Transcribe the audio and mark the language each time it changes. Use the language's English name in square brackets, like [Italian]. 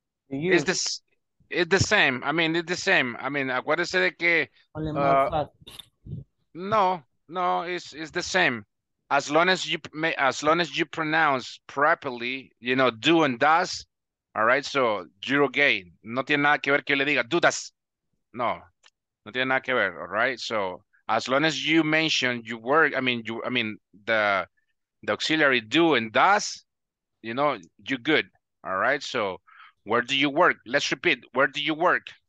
[English] Do you? It's the same. I mean, [Spanish] acuérdese de que. [English] Only more fast. No, No, it's the same. As long as you may, as long as you pronounce properly, you know, do and does, all right? So, you're okay. [Spanish] No tiene nada que ver que yo le diga, do das. No, no tiene nada que ver, all right? [English] So, as long as you mention your work, I mean the auxiliary do and does, you know, you're good, all right? So, where do you work? Let's repeat, where do you work?